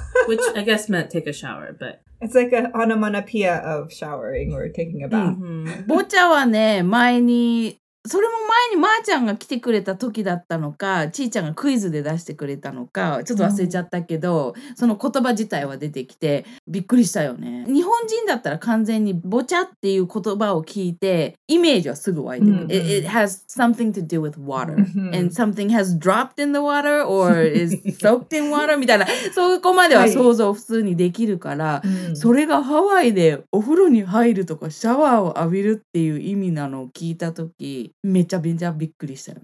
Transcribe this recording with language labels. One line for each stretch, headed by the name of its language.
English: Which I guess meant take a shower, but... It's like an onomatopoeia of showering or taking a bath.
Japanese: Bocha wa ne, mai ni... それも前にまーちゃんが来てくれた時だったのか、ちーちゃんがクイズで出してくれたのか、ちょっと忘れちゃったけど、その言葉自体は出てきてびっくりしたよね。日本人だったら完全にぼちゃっていう言葉を聞いてイメージはすぐ湧いてくる。It
English: has something to do with water. And something has dropped in the water or is soaked in water
Japanese: みたいな、そこまでは想像普通にできるから、それがハワイでお風呂に入るとかシャワーを浴びるっていう意味なのを聞いた時、めちゃびっくり。